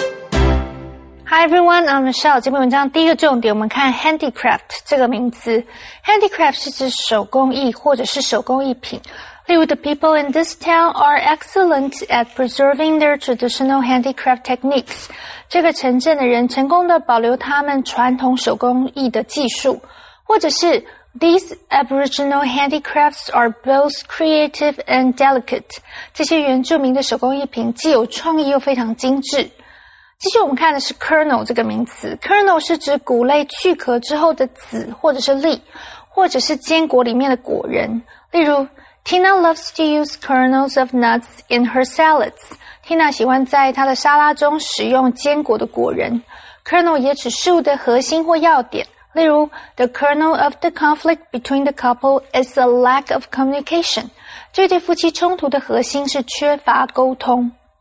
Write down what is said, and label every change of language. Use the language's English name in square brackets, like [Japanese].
[English] Hi everyone, I'm Michelle. [Chinese] 这篇文章第一个重点，我们看 handicraft 这个名词。 Handicraft 是指手工艺或者是手工艺品。 [English] 例如 the people in this town are excellent at preserving their traditional handicraft techniques. [Chinese] 这个城镇的人成功地保留他们传统手工艺的技术。 [English] 或者是 these aboriginal handicrafts are both creative and delicate. [Chinese] 这些原住民的手工艺品既有创意又非常精致。继续我们看的是 kernel 这个名词。kernel 是指谷类去壳之后的籽或者是粒，或者是坚果里面的果仁。 [English] 例如Tina loves to use kernels of nuts in her salads. [Chinese] Tina 喜欢在她的沙拉中使用坚果的果仁。 Kernel 也指事物的核心或要点。 [English] 例如 ,the kernel of the conflict between the couple is a lack of communication. [Chinese] 这对夫妻冲突的核心是缺乏沟通。